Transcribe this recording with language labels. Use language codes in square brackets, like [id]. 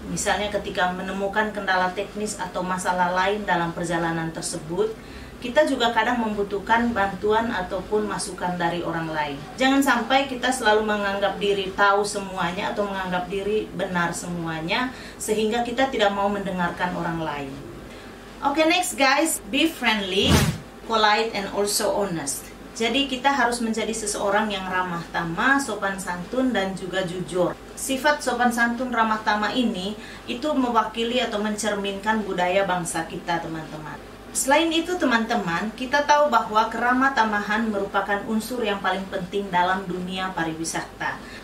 [id] Misalnya ketika menemukan kendala teknis atau masalah lain dalam perjalanan tersebut, kita juga kadang membutuhkan bantuan ataupun masukan dari orang lain. Jangan sampai kita selalu menganggap diri tahu semuanya atau menganggap diri benar semuanya, sehingga kita tidak mau mendengarkan orang lain. [en] Okay, next guys, be friendly, polite, and also honest. [id] Jadi kita harus menjadi seseorang yang ramah tamah, sopan santun, dan juga jujur. Sifat sopan santun ramah tamah ini itu mewakili atau mencerminkan budaya bangsa kita, teman-teman. Selain itu, teman-teman, kita tahu bahwa keramah tamahan merupakan unsur yang paling penting dalam dunia pariwisata.